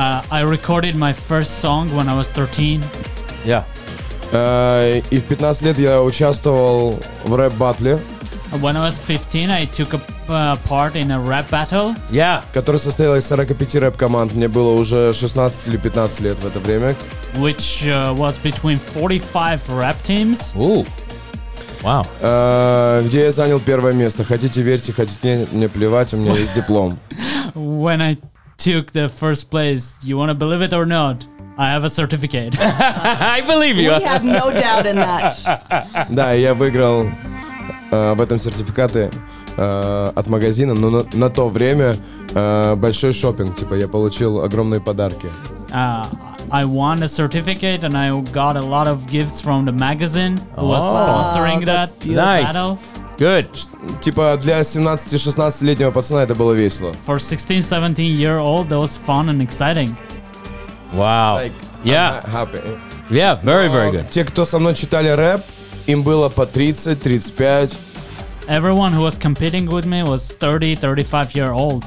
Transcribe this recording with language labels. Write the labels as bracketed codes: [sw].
[en] I recorded my first song when I was 13. Yeah. [ru] И в 15 лет я участвовал в рэп-баттле. [en] When I was 15, I took a part in a rap battle. Yeah. [ru] Который состоял из 45 рэп-команд. Мне было уже 16 или 15 лет в это время. [en] Which was between 45 rap teams. Ooh. Wow. [ru] Где я занял первое место. Хотите, верьте, хотите, нет, мне плевать, у меня есть диплом. [en] When I took the first place, you want to believe it or not? I have a certificate. I believe you. We have no doubt in that. [ru] Да, я выиграл в этом сертификаты от магазина, но на то время большой шопинг, типа я получил огромные подарки. [en] I won a certificate and I got a lot of gifts from the magazine who was sponsoring that battle. Nice. Good. Типа для 17-16-летнего пацана это было весело. For 16-17 year old, that was fun and exciting. Wow. Like, yeah. I'm happy. Yeah, very, very good. [ru] Те, кто со мной читали рэп, им было по 30-35. [en] Everyone who was competing with me was 30-35 year old.